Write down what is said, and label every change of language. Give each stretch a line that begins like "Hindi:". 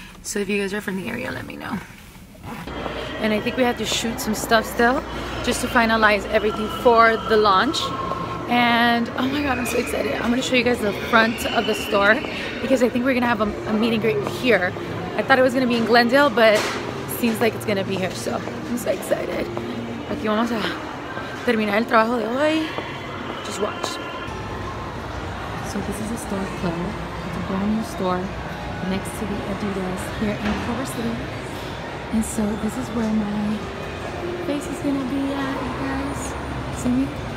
English: So if you guys are from the area, let me know. And I think we have to shoot some stuff still, just to finalize everything for the launch. And oh my God, I'm so excited. I'm gonna show you guys the front of the store because I think we're gonna have a meet and greet here. I thought it was gonna be in Glendale, but seems like it's gonna be here. So I'm so excited.
Spanish: Aquí vamos a terminar el trabajo de hoy.
English: Just watch. So this is a store club. It's a brand new store next to the Adidas here in Culver City. And so this is where my face is gonna be at, you guys. See me?